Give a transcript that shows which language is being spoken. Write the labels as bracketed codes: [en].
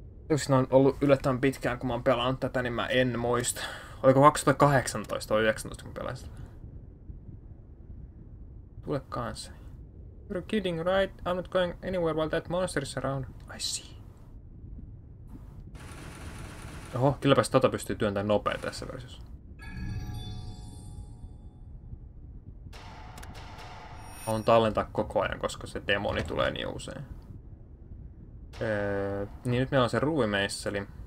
[fi] Yksi on ollut yllättävän pitkään, kun mä oon pelannut tätä, niin mä en muista. Oliko 2018 vai 2019, kun pelasin? Tule kanssa. [en] You're kidding, right? I'm not going anywhere while that monster is around. I see. [fi] Oho, kylläpäs tota pystyy työntämään nopea tässä versiossa. On tallentaa koko ajan, koska se demoni tulee niin usein. Niin nyt meillä on se ruuvimeisseli.